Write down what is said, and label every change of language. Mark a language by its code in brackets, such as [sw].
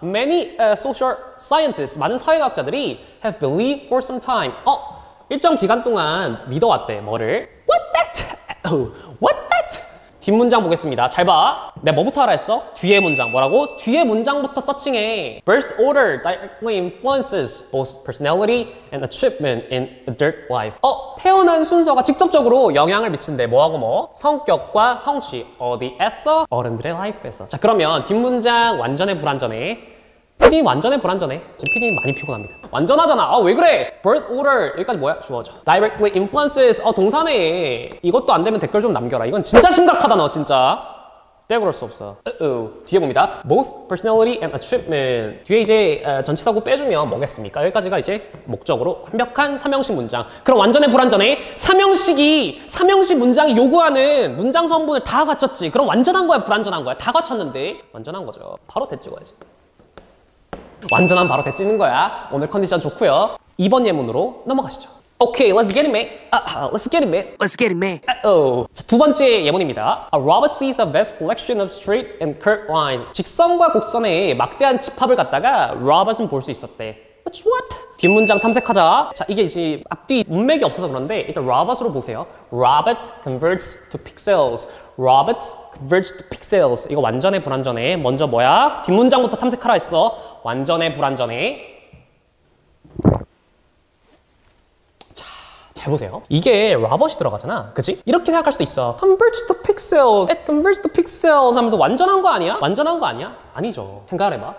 [en] Many social scientists, [ko] 많은 사회학자들이 [en] have believed for some time. [ko] 일정 기간 동안 믿어왔대. 뭐를? [en] What that? What that? [ko] 뒷문장 보겠습니다. 잘 봐. 내가 뭐부터 하라 했어? 뒤에 문장. 뭐라고? 뒤에 문장부터 서칭해. [en] Birth order directly influences both personality and achievement in adult life. [ko] 태어난 순서가 직접적으로 영향을 미친대. 뭐하고 뭐? 성격과 성취. 어디에서? 어른들의 라이프에서. 자, 그러면 뒷문장 완전해 불완전해? 피디님 완전해 불완전해? 지금 피디님 많이 피곤합니다. 완전하잖아. 아, 왜 그래? Birth order 여기까지 뭐야? 주어져. [en] Directly influences. [ko] 동사네. 이것도 안 되면 댓글 좀 남겨라. 이건 진짜 심각하다 너 진짜. 때 그럴 수 없어. 뒤에 봅니다. [en] Both personality and achievement. [ko] 뒤에 이제 전치사구 빼주면 뭐겠습니까? 여기까지가 이제 목적으로 완벽한 3형식 문장. 그럼 완전해 불완전해? 3형식 문장이 요구하는 문장 성분을 다 갖췄지. 그럼 완전한 거야 불완전한 거야? 다 갖췄는데 완전한 거죠. 바로 대찍어야지. 완전한 바로 대찍는 거야. 오늘 컨디션 좋고요. 2번 예문으로 넘어가시죠. [en] Okay, let's get it, mate. Let's get it, mate. [ko] 두 번째 예문입니다. [en] A robber sees a vast collection of straight and curved lines. [ko] 직선과 곡선의 막대한 집합을 갖다가 robber는 볼 수 있었대. [en] But what? [ko] 뒷문장 탐색하자. 자, 이게 이제 앞뒤 문맥이 없어서 그런데 일단 robber로 보세요. [en] Robert converts to pixels. Robert converts to pixels. [ko] 이거 완전해, 불완전해? 먼저 뭐야? 뒷문장부터 탐색하라 했어. 완전해, 불완전해? 잘 보세요. 이게 robert이 들어가잖아. 그치? 이렇게 생각할 수도 있어. [en] Converge to pixels. It converge to pixels [ko] 하면서 완전한 거 아니야? 완전한 거 아니야? 아니죠. 생각을 해봐.